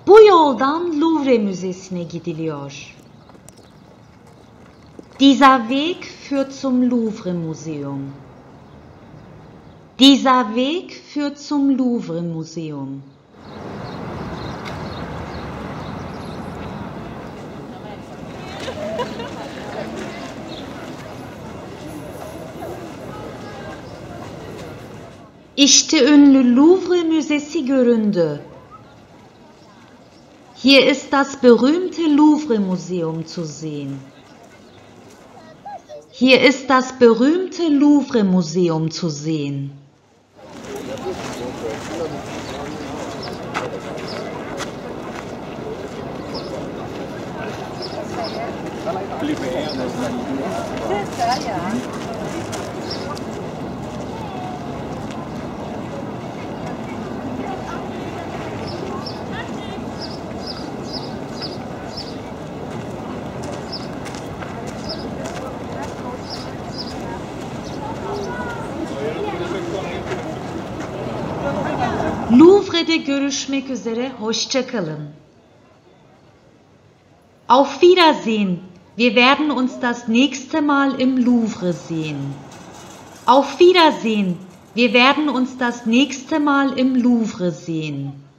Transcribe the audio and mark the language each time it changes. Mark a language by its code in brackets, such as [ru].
[tr] Oradan Louvre Müzesi'ne gidiliyor. [de] Dieser Weg führt zum Louvre Museum. Dieser Weg führt zum Louvre Museum. [tr] İşte ünlü Louvre Müzesi göründü. [de] Hier ist das berühmte Louvre Museum zu sehen. Hier ist das berühmte Louvre Museum zu sehen. [tr] Louvre'de görüşmek üzere, hoşça kalın. [de] Auf Wiedersehen, wir werden uns das nächste Mal im Louvre sehen. Auf Wiedersehen, wir werden uns das nächste Mal im Louvre sehen.